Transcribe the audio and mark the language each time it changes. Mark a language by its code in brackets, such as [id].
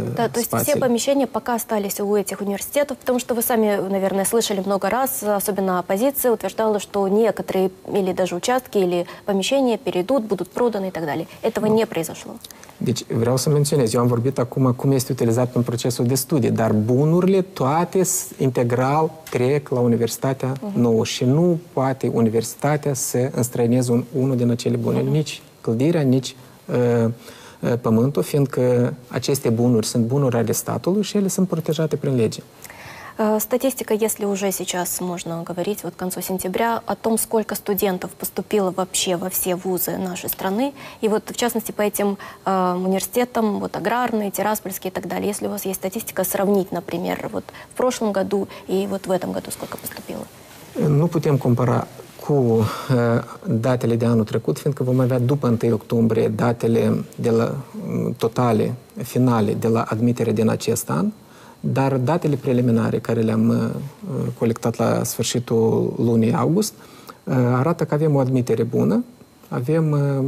[ru] Да, то есть все помещения пока остались у этих университетов, потому что вы сами, наверное, слышали много раз, особенно оппозиция утверждала, что некоторые или даже участки или помещения перейдут, будут проданы и так далее. Этого не произошло. [ro] Deci vreau să menționez, eu am vorbit acum cum este utilizat în procesul de studii, dar bunurile toate integral trec la Universitatea Nouă și nu poate Universitatea să înstrăineze unul din acele bunuri, nici clădirea, nici pământul, fiindcă aceste bunuri sunt bunuri ale statului și ele sunt protejate prin lege. [ru] Статистика, если уже сейчас можно говорить, вот к концу сентября, о том, сколько студентов поступило вообще во все вузы нашей страны, и вот в частности по этим университетам, вот аграрные, тираспольские и так далее, если у вас есть статистика, сравнить, например, вот в прошлом году и вот в этом году сколько поступило? Ну, путем [ro] компара cu datele de anul trecut, fiindcă vom avea după 1 octombrie datele de la totale, finale, de la admitere din acest an, dar datele preliminare care le-am colectat la sfârșitul lunii august arată că avem o admitere bună, avem